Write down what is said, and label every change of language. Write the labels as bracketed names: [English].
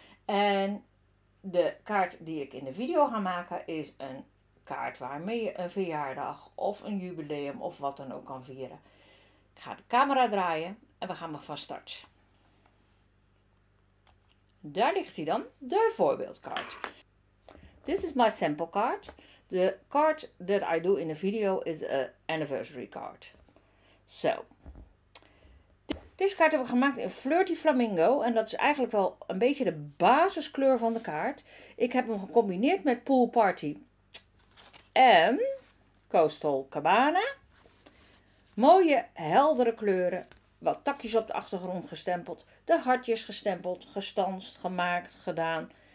[Dutch] En de kaart die ik in de video ga maken is een kaart waarmee je een verjaardag of een jubileum of wat dan ook kan vieren. Ik ga de camera draaien en we gaan maar van start. Daar ligt hij dan, de voorbeeldkaart. [English] This is my sample card. The card that I do in the video is an anniversary card. [Dutch] So, deze kaart hebben we gemaakt in Flirty Flamingo en dat is eigenlijk wel een beetje de basiskleur van de kaart. Ik heb hem gecombineerd met Pool Party en Coastal Cabana. Mooie, heldere kleuren, wat takjes op de achtergrond gestempeld, de hartjes gestempeld, gestanst, gemaakt, gedaan.